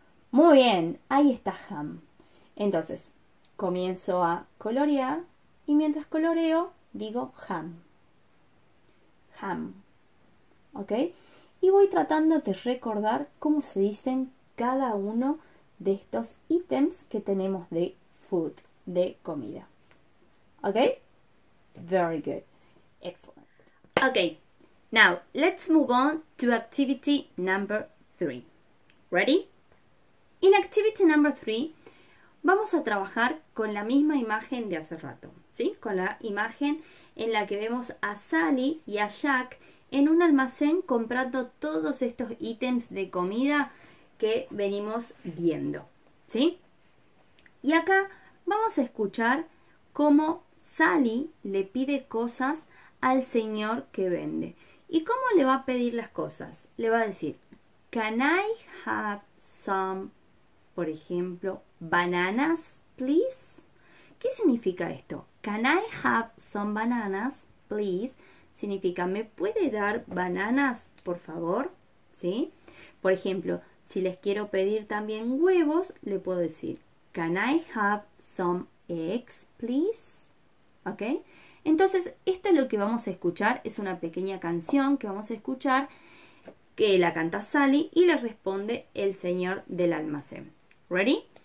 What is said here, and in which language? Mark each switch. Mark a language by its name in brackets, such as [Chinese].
[Spanish] Muy bien, ahí está ham. Entonces, comienzo a colorear y mientras coloreo, digo ham. Ham. ¿Ok? Y voy tratando de recordar cómo se dicen cada uno de estos ítems que tenemos de food, de comida. [English] ¿Ok? Very good. Excellent. Ok, now let's move on to activity number 3. Ready? In activity number 3, [Spanish] vamos a trabajar con la misma imagen de hace rato, ¿sí? Con la imagen en la que vemos a Sally y a Jack en un almacén comprando todos estos ítems de comida que venimos viendo, ¿sí? Y acá vamos a escuchar cómo Sally le pide cosas al señor que vende. ¿Y cómo le va a pedir las cosas? Le va a decir, [English] "Can I have some, [Spanish] por ejemplo, [English] bananas, please?" [Spanish] ¿Qué significa esto? [English] "Can I have some bananas, please?" [Spanish] Significa, "¿Me puede dar bananas, por favor?" ¿Sí? Por ejemplo, si les quiero pedir también huevos, le puedo decir, [English] "Can I have some eggs, please?" [Spanish] ¿Ok? Entonces, esto es lo que vamos a escuchar. Es una pequeña canción que vamos a escuchar que la canta Sally y le responde el señor del almacén. [English] ¿Ready?